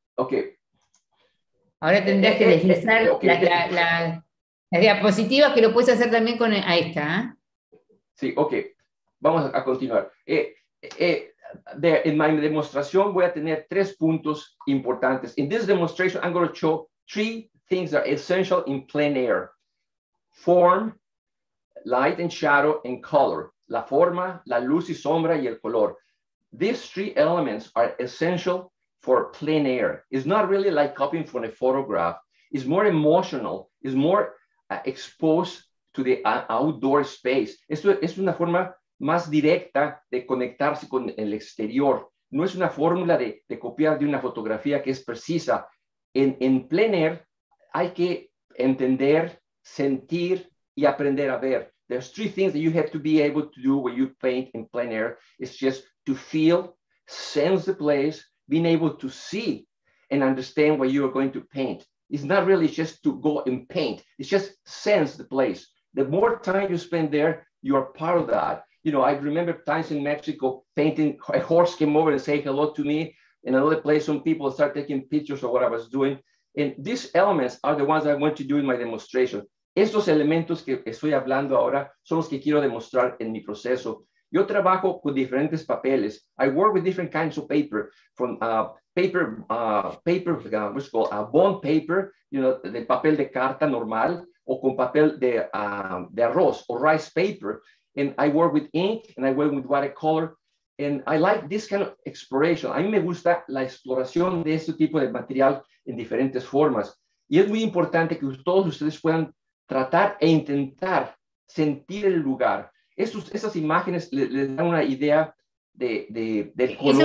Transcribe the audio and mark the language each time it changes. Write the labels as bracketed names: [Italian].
[Spanish] Ok. Ahora tendrías que deslizar las diapositivas, que lo puedes hacer también con ahí está. Sí, ok. Vamos a continuar. En mi demostración voy a tener tres puntos importantes. [English] In this demonstration, I'm going to show three things that are essential in plein air. Form, light and shadow, and color. La forma, la luz y sombra, y el color. These three elements are essential for plein air. It's not really like copying from a photograph. It's more emotional. It's more exposed to the outdoor space. [Spanish] Esto es una forma más directa de conectarse con el exterior. No es una fórmula de copiar de una fotografía que es precisa. En plein air, hay que entender, sentir y aprender a ver. [English] There's three things that you have to be able to do when you paint in plein air. It's just to feel, sense the place, being able to see and understand what you are going to paint. It's not really just to go and paint. It's just sense the place. The more time you spend there, you are part of that. You know, I remember times in Mexico painting, a horse came over and say hello to me. In another place, some people start taking pictures of what I was doing. And these elements are the ones I want to do in my demonstration. [Spanish] Estos elementos que estoy hablando ahora son los que quiero demostrar en mi proceso. Yo trabajo con diferentes papeles. [English] I work with different kinds of paper, from bond paper, you know, [Spanish] de papel de carta normal, o con papel de arroz o [English] rice paper. And I work with ink and I work with watercolor. And I like this kind of exploration. [Spanish] A mí me gusta la exploración de este tipo de material en diferentes formas. Y es muy importante que todos ustedes puedan tratar e intentar sentir el lugar. Esas imágenes les dan una idea del color.